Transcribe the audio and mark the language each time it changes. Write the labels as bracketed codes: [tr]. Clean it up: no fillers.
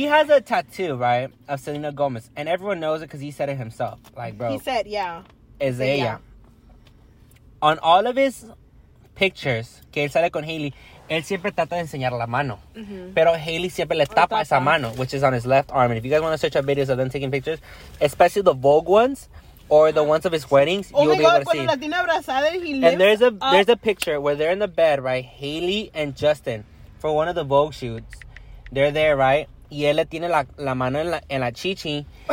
[en] And guys, he has a tattoo, right, of Selena Gomez. And everyone knows it because he said it himself. Like, bro. He said, yeah. Is ella. Yeah. On all of his pictures, [es] que él sale con Hailey, él siempre trata de enseñar la mano. Mm-hmm. Pero Hailey siempre le tapa esa mano, [en] which is on his left arm. And if you guys want to search up videos of them taking pictures, especially the Vogue ones, or the ones of his weddings, you'll be able to see. And there's a picture where they're in the bed, right? Hailey and Justin, for one of the Vogue shoots. They're there, right? [es] Y él le tiene la mano en la chichi.